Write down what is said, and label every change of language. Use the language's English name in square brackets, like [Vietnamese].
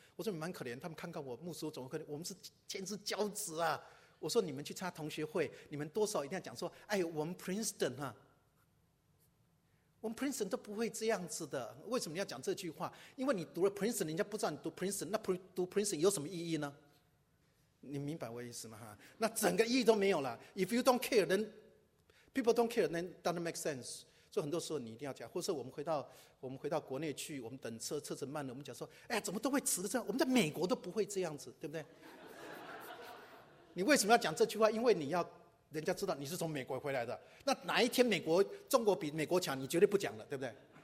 [Chinese] 我说你们蛮可怜，他们看看我牧师我怎么可怜，我们是天之骄子啊。我说你们去参加同学会，你们多少一定要讲说，哎，我们 Princeton 啊，我们 Princeton 都不会这样子的。为什么你要讲这句话？因为你读了 Princeton， 人家不知道你读 Princeton， 那读 Princeton 有什么意义呢？你明白我意思吗？那整个意义都没有了。 [English] If you don't care, then people don't care, then doesn't make sense。 [Chinese] 所以很多时候你一定要讲，或者我们回到国内去，我们等车，车子慢了，我们讲说，哎呀，怎么都会迟的这样？我们在美国都不会这样子，对不对？你为什么要讲这句话？因为你要人家知道你是从美国回来的，那哪一天美国中国比美国强，你绝对不讲了，对不对？